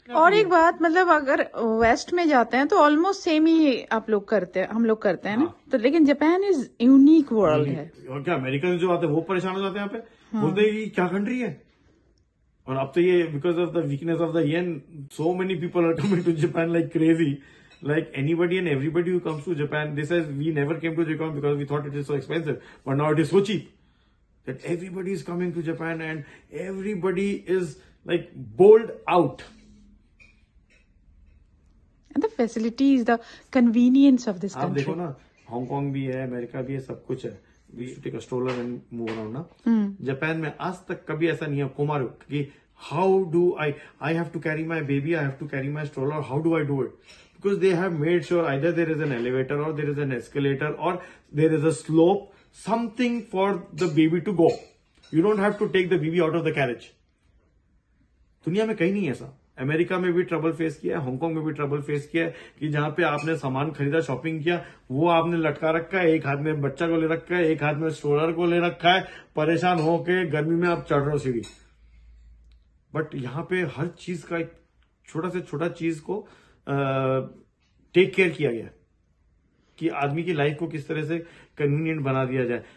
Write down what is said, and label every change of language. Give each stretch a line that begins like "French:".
Hindi: और एक बात, मतलब अगर वेस्ट में जाते हैं तो ऑलमोस्ट सेम ही आप लोग करते हैं, हम लोग करते हैं ना. हाँ. तो लेकिन
English: Japan is unique world
Hindi: है. और क्या अमेरिकन जो आते हैं वो परेशान हो जाते हैं यहाँ पे, बोलते हैं कि क्या कंट्री है. और अब तो ये
English: Because of the weakness of the yen, so many people are coming to Japan like crazy. Like anybody and everybody who comes to Japan, this is, we never came to Japan because we thought it is so expensive, but now it is so cheap that everybody is coming to Japan and everybody is like bowled out. And the facilities, the convenience of this country.
Hindi: आप देखो ना, Hong Kong भी है, America भी है, सब कुछ है.
English: We should take a stroller and move around ना.
Hindi: Japan में आज तक कभी ऐसा नहीं है कुमार कि
English: how do I have to carry my baby, I have to carry my stroller, how do it? Because they have made sure either there is an elevator or there is an escalator or there is a slope, something for the baby to go. You don't have to take the baby out of the carriage.
Hindi: दुनिया में कहीं नहीं ऐसा. America में भी trouble face किया है, Hong Kong में भी ट्रबल फेस किया है कि जहां पे आपने सामान खरीदा, शॉपिंग किया, वो आपने लटका रखा है, एक हाथ में बच्चा को ले रखा है, एक हाथ में स्ट्रोलर को ले रखा है, परेशान होके गर्मी में आप चढ़ रहे हो सीढ़ी. बट यहां पे हर चीज का एक छोटा से छोटा चीज को टेक केयर किया गया कि आदमी की लाइफ को किस तरह से कन्वीनियंट बना दिया जाए.